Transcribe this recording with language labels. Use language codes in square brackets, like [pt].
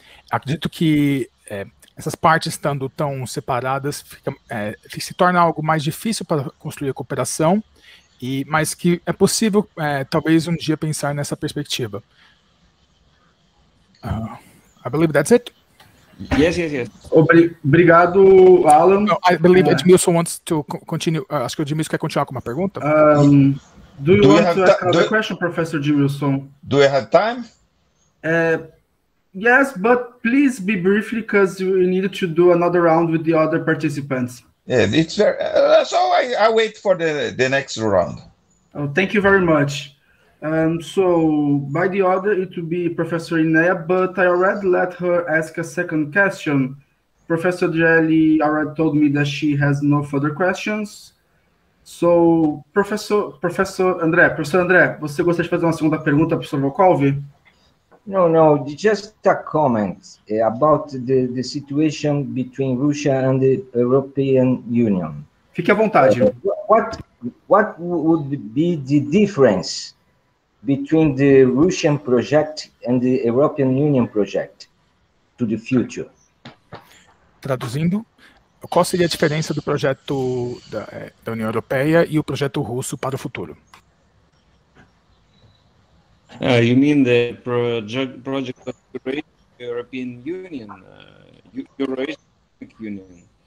[pt] Acredito que essas partes estando tão separadas, se torna algo mais difícil para construir a cooperação, mas que é possível, talvez, um dia pensar nessa perspectiva. [en] I believe that's it. Yes. [pt] Obrigado, Alan. No, [en] I believe Edmilson wants to continue. [pt] Acho que o Edmilson quer continuar com uma pergunta. [en] Do you want to ask another question, Professor Edmilson? Do you have time? Yes, but please be briefly, because we need to do another round with the other participants. Yeah, it's very. So I wait for the next round. Oh, thank you very much. So by the order, it will be Professor Irineia, but I already let her ask a second question. Professor Drielli already told me that she has no further questions. [pt] So Professor André, você gostaria de fazer uma segunda pergunta para o Professor Volkov? [en] No, just a comment about the situation between Russia and the European Union. [pt] Fique à vontade. [en] What would be the difference between the Russian project and the European Union project to the future? [pt] Traduzindo, qual seria a diferença do projeto da União Europeia e o projeto russo para o futuro? [en] You mean the project of the European Union, Eurasian Union?